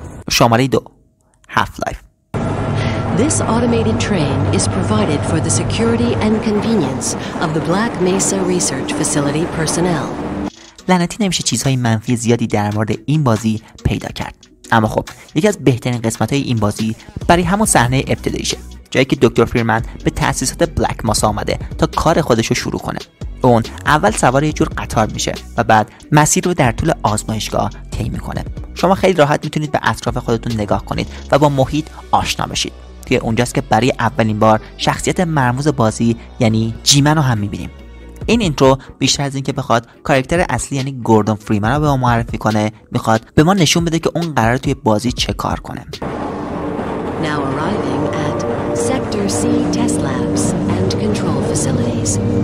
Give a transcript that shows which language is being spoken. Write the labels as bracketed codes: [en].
[fa] شماره 2، Half-Life. [en] This automated train is provided for the security and convenience of the Black Mesa Research Facility personnel. [fa] لعنتی نمیشه چیزهای منفی زیادی در مورد این بازی پیدا کرد، اما خب یکی از بهترین قسمت‌های این بازی برای همون صحنه ابتداییشه، جایی که دکتر فیرمن به تأسیسات بلک ماسا آمده تا کار خودش رو شروع کنه. اون اول سوار یه جور قطار میشه و بعد مسیر رو در طول آزمایشگاه طی میکنه. شما خیلی راحت میتونید به اطراف خودتون نگاه کنید و با محیط آشنا بشید. توی اونجاست که برای اولین بار شخصیت مرموز بازی یعنی جیمن رو هم میبینیم. این اینترو بیشتر از این که بخواد کاراکتر اصلی یعنی گوردون فریمن رو به ما معرفی کنه، میخواد به ما نشون بده که اون قراره توی بازی چه کار کنه. [en] Now arriving at Sector C test labs and control facilities.